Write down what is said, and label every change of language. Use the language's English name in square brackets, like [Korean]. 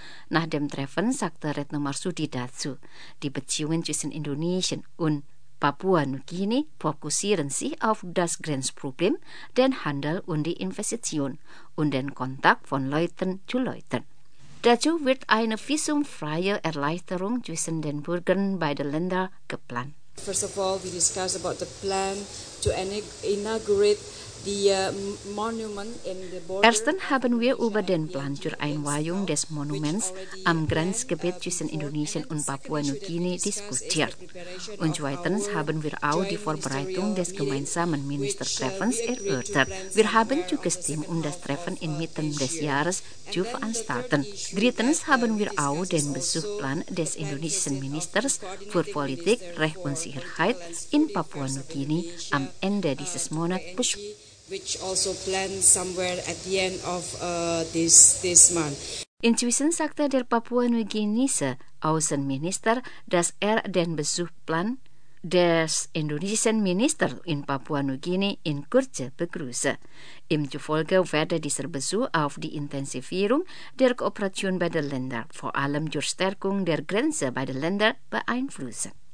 [German] Nach dem Treffen sagte Retno Marsudi dazu, die Beziehungen zwischen Indonesien und Papua-Neuguinea fokussieren sich auf das Grenzproblem, den Handel und die Investition und den Kontakt von Leuten zu Leuten. Dazu wird eine visumfreie Erleichterung zwischen den Bürgern beider Länder geplant. [English] First of all, we discussed about the plan to inaugurate the monument in the border. [German] Erstens haben wir über den Plan zur Einweihung des Monuments am Grenzgebiet zwischen Indonesien und Papua-Neuguinea diskutiert. Und zweitens haben wir auch die Vorbereitung des gemeinsamen Ministertreffens erörtert. Wir haben zugestimmt, um das Treffen inmitten des Jahres zu veranstalten. Drittens haben wir auch den Besuchplan des indonesischen Ministers für Politik, Recht und Sicherheit in Papua-Neuguinea am Ende dieses Monats besprochen. [English] Which also planned somewhere at the end of this month. [German] Inzwischen sagte der Papua-Neuguineese Außenminister, dass den Besuchplan des indonesischen Ministers in Papua-Neuguinea in Kürze begrüße. Im Zufolge werde dieser Besuch auf die Intensivierung der Kooperation beider Länder, vor allem durch Stärkung der Grenze beider Länder, beeinflussen.